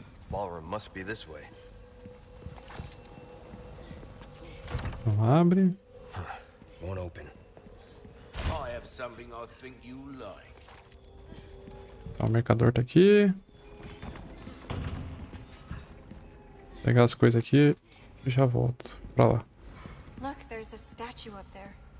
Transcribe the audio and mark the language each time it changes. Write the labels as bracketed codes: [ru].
[en] Ballroom must be this way. [pt] Não abre. [en] Won't open. I have something I think you like. [pt] Então, o mercador tá aqui. Vou pegar as coisas aqui e já volto pra lá. [en] Look, there's a statue up there.